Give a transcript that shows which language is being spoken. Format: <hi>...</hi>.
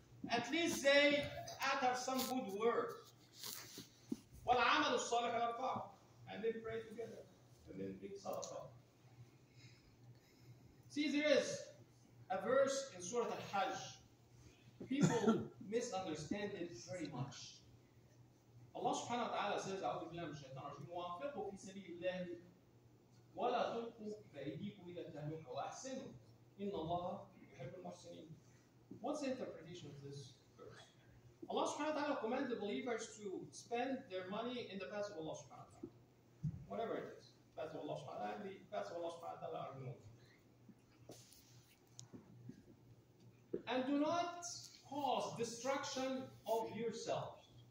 <en>At least they utter some good word.</en> <ar>Wal amalu salih al arqam.</ar> <en>And they pray together. And then big salah. See, there is a verse in Surah Al-Hajj. People misunderstand it very much.</en> <ar>Allah subhanahu wa ta'ala</ar> <en>says,</en> <ar>أَعُوذُ بِاللَّهِ مِنَ الشَّيْطَانِ الرَّجِيمِ وَأَنْفِقُوا فِي سَبِيلِ اللَّهِ وَلَا تُلْقُوا بِأَيْدِيكُمْ إِلَى التَّهْلُكَةِ وَأَحْسِنُوا إِنَّ اللَّهَ يُحِبُّ الْمُحْسِنِينَ.</ar> <en>What's the interpretation of this verse? Allah subhanahu wa ta'ala commands the believers to spend their money in the path of Allah subhanahu wa ta'ala. Whatever it is, path of Allah subhanahu wa ta'ala, the path of Allah subhanahu wa ta'ala are known. And do not cause destruction of yourself.</en>